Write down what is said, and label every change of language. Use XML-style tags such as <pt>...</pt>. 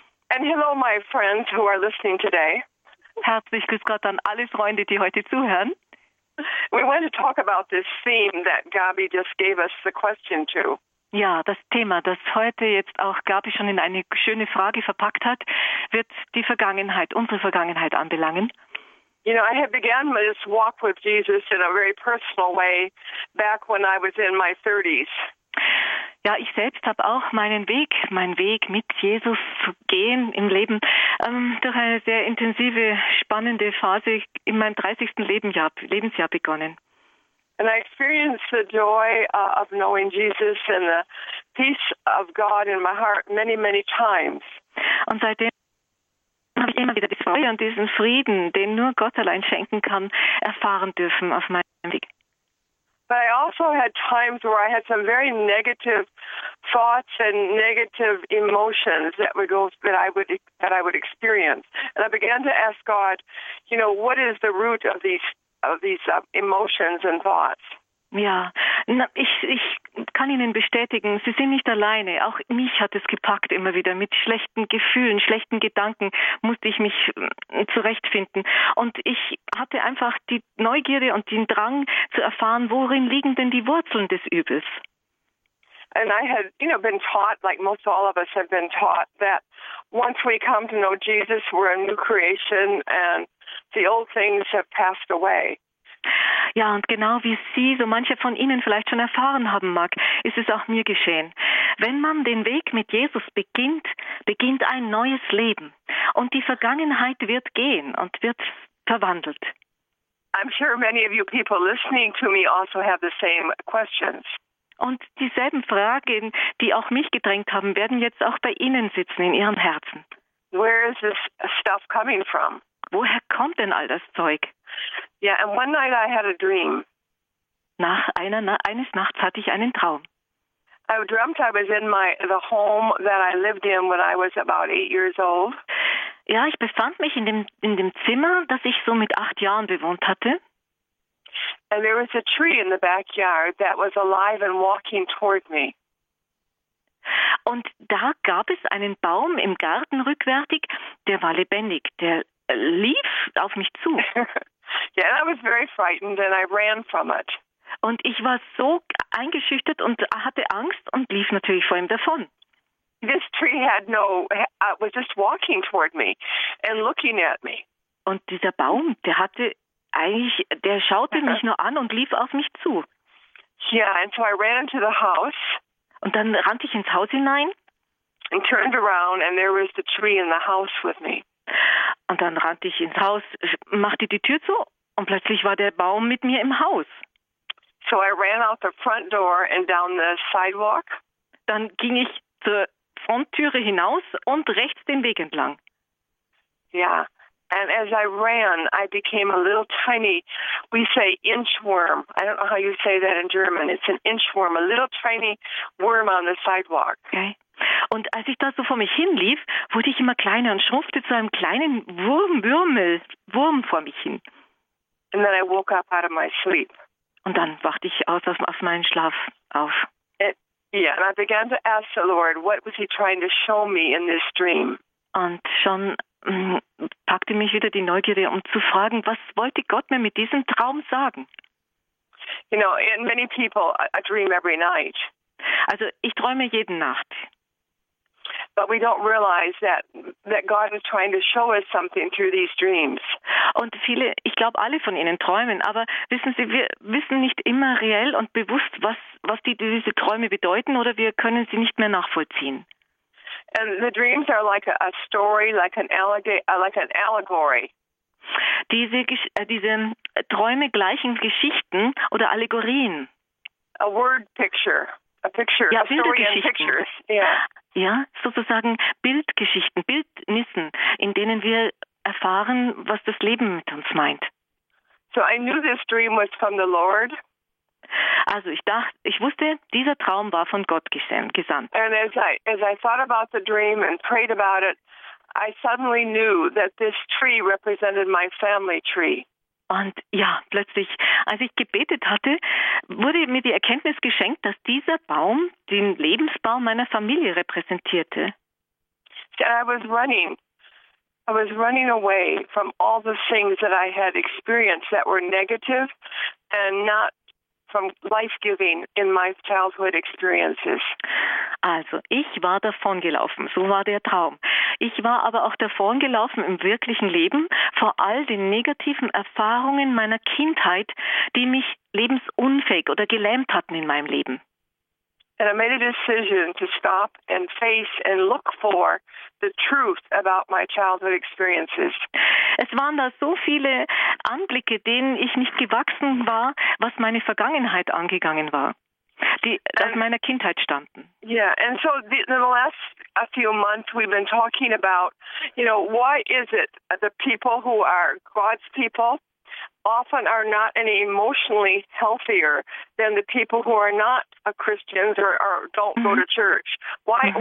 <en>And hello, my friends who are listening today.</en> <de>Herzlich grüß Gott an alle Freunde, die heute zuhören.</de> <en>We want to talk about this theme that Gabi just gave us the question to.</en> <de>Ja, das Thema, das heute jetzt auch Gabi schon in eine schöne Frage verpackt hat, wird die Vergangenheit, unsere Vergangenheit anbelangen.</de> <en>You know, I had begun this walk with Jesus in a very personal way back when I was in my 30s.</en> <de>Ja, ich selbst habe auch meinen Weg mit Jesus zu gehen im Leben durch eine sehr intensive, spannende Phase in meinem 30. Lebensjahr begonnen.</de> <en>And I experienced the joy of knowing Jesus and the peace of God in my heart many, many times.</en> <de>Und seitdem habe ich immer wieder die Freude an diesem Frieden, den nur Gott allein schenken kann, erfahren dürfen auf meinem Weg.</de> <en>But I also had times where I had some very negative thoughts and negative emotions that I would experience. And I began to ask God, you know, what is the root of these emotions and thoughts?</en> <de>Ja, ich kann Ihnen bestätigen, Sie sind nicht alleine. Auch mich hat es gepackt immer wieder. Mit schlechten Gefühlen, schlechten Gedanken musste ich mich zurechtfinden. Und ich hatte einfach die Neugierde und den Drang zu erfahren, worin liegen denn die Wurzeln des Übels?</de> <en>And I had, you know, been taught, like most all of us have been taught, that once we come to know Jesus, we're a new creation and the old things have passed away.</en> <de>Ja, und genau wie Sie, so manche von Ihnen vielleicht schon erfahren haben mag, ist es auch mir geschehen. Wenn man den Weg mit Jesus beginnt, beginnt ein neues Leben. Und die Vergangenheit wird gehen und wird verwandelt.</de> <en>I'm sure many of you people listening to me also have the same questions.</en> <de>Und dieselben Fragen, die auch mich gedrängt haben, werden jetzt auch bei Ihnen sitzen, in Ihrem Herzen.</de> <en>Where is this stuff coming from?</en> <de>Woher kommt denn all das Zeug?</de> <en>Yeah, and one night I had a dream.</en> <de>Eines Nachts hatte ich einen Traum.</de> <en>I dreamt I was in the home that I lived in when I was about 8 years old.</en> <de>Ja, ich befand mich in dem Zimmer, das ich so mit 8 Jahren bewohnt hatte.</de> <en>And there was a tree in the backyard that was alive and walking toward me.</en> <de>Und da gab es einen Baum im Garten rückwärtig, der war lebendig, der lief auf mich zu.</de> <en>Yeah, I was very frightened and I ran from it.</en> <de>Und ich war so eingeschüchtert und hatte Angst und lief natürlich vor ihm davon.</de> <en>This tree had no, was just walking toward me and looking at me.</en> <de>Und dieser Baum, der hatte eigentlich, der schaute mich nur an und lief auf mich zu.</de> <en>Yeah, and so I ran into the house.</en> <de>Und dann rannte ich ins Haus hinein.</de> <en>And turned around and there was the tree in the house with me.</en> <de>Und dann rannte ich ins Haus, machte die Tür zu und plötzlich war der Baum mit mir im Haus.</de> <en>So I ran out the front door and down the sidewalk.</en> <de>Dann ging ich zur Fronttüre hinaus und rechts den Weg entlang.</de> <en>Yeah, and as I ran, I became a little tiny, we say inchworm. I don't know how you say that in German. It's an inchworm, a little tiny worm on the sidewalk. Okay.</en> <de>Und als ich da so vor mich hinlief, wurde ich immer kleiner und schrumpfte zu einem kleinen Wurm vor mich hin.</de> <en>And then I woke up out of my sleep.</en> <de>Und dann wachte ich aus meinem Schlaf auf.</de> <en>And I began to ask the Lord, what was he trying to show me in this dream?</en> <de>Und schon packte mich wieder die Neugierde, um zu fragen, was wollte Gott mir mit diesem Traum sagen?</de> <en>You know, and many people I dream every night.</en> <de>Also ich träume jede Nacht.</de> <en>But we don't realize that God is trying to show us something through these dreams.</en> <de>Und viele, ich glaube, alle von Ihnen träumen, aber wissen Sie, wir wissen nicht immer reell und bewusst, was diese Träume bedeuten, oder wir können sie nicht mehr nachvollziehen.</de> <en>And the dreams are like a story, like an allegory.</en> <de>Diese Träume gleichen Geschichten oder Allegorien.</de> <en>A word picture. A picture, ja, a story</en> <de>Bildergeschichten.</de> <en>Pictures. Yeah.</en> <de>Ja, sozusagen Bildgeschichten, Bildnissen, in denen wir erfahren, was das Leben mit uns meint.</de> <en>So I knew this dream was from the Lord.</en> <de>Also ich wusste, dieser Traum war von Gott gesandt.</de> <en>And as I thought about the dream and prayed about it, I suddenly knew that this tree represented my family tree.</en> <de>Und ja, plötzlich, als ich gebetet hatte, wurde mir die Erkenntnis geschenkt, dass dieser Baum den Lebensbaum meiner Familie repräsentierte.</de> <en>I was running away from all the things that I had experienced that were negative and not from life-giving in my childhood experiences.</en> <de>Also, ich war davongelaufen, so war der Traum. Ich war aber auch davongelaufen im wirklichen Leben vor all den negativen Erfahrungen meiner Kindheit, die mich lebensunfähig oder gelähmt hatten in meinem Leben.</de> <en>And I made a decision to stop and face and look for the truth about my childhood experiences.</en> <de>Es waren da so viele Anblicke, denen ich nicht gewachsen war, was meine Vergangenheit angegangen war, die aus meiner Kindheit stammten.</de> <en>Yeah, and so in the last few months we've been talking about, you know, why is it the people who are God's people often are not any emotionally healthier than the people who are not a Christians or don't mm-hmm. go to church. Why mm-hmm.</en>